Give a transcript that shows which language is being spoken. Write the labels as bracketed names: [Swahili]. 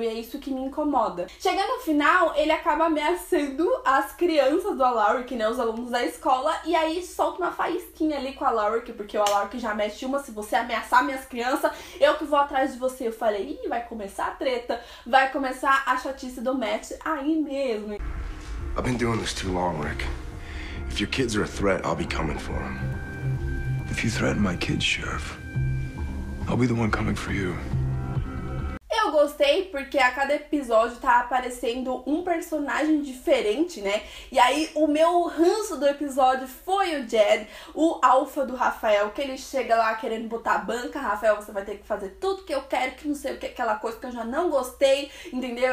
[Portuguese] E é isso que me incomoda. Chegando no final, ele acaba ameaçando as crianças do Alaric, né, os alunos da escola, e aí solta uma faísquinha ali com o Alaric, porque o Alaric já mexe uma, se você ameaçar minhas crianças, eu que vou atrás de você. Eu falei, ih, vai começar a treta, vai começar a chatice do Matt aí mesmo. [English] I've been doing this too long, Rick. If your kids are a threat, I'll be coming for them. If you threaten my kids, Sheriff, I'll be the one coming for you. [Portuguese] Eu gostei porque a cada episódio tá aparecendo um personagem diferente, né? E aí o meu ranço do episódio foi o Jed, o alfa do Rafael, que ele chega lá querendo botar a banca. Rafael, você vai ter que fazer tudo que eu quero, que não sei o que, aquela coisa que eu já não gostei, entendeu?